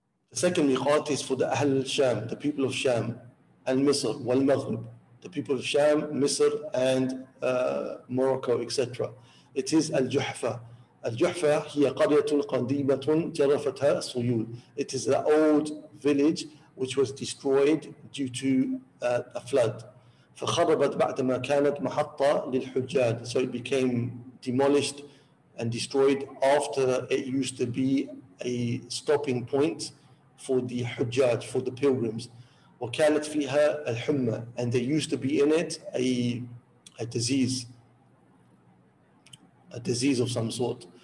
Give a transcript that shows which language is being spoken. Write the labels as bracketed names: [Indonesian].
[English] The second miqat is for the Ahl al-Sham, the people of Sham, and Misr, wal-Maghrib, the people of Sham, Misr, and Morocco, etc. It is al-Juhfa. [Arabic] Al-Juhfa hiya qaryatun qandimatun jarafatha suyul. [English] It is the old village which was destroyed due to a flood. [Arabic] فَخَرَبَتْ بَعْدَ مَا كَانَتْ مَحَطَّةً لِلْحُجَّاجِ, [English] so it became demolished and destroyed after it used to be a stopping point for the Hujjaj, for the pilgrims. [Arabic] وَكَانَتْ فِيهَا الْحُمَّةِ [English] And there used to be in it a disease of some sort.